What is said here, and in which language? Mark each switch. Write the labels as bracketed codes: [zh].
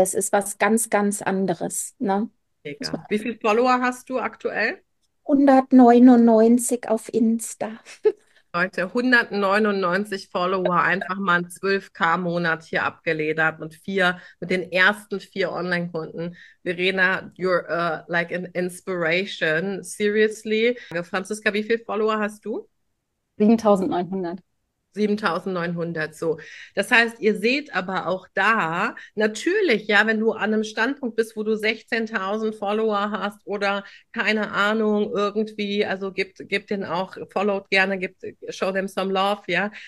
[de] Es ist was ganz, ganz anderes, ne? Muss man Egal. Wie viele Follower hast du aktuell? 199 auf Insta. Leute, 199 Follower, einfach mal einen 12K-Monat hier abgeledert und vier mit den ersten 4 Online-Kunden. [en] Verena, you're like an inspiration. Seriously. [de] Franziska, wie viele Follower hast du? 7.900. 7.900, so. Das heißt, ihr seht aber auch da, natürlich, ja, wenn du an einem Standpunkt bist, wo du 16.000 Follower hast oder keine Ahnung, irgendwie, also gib den auch, followt gerne, [en] show them some love, [de] ja.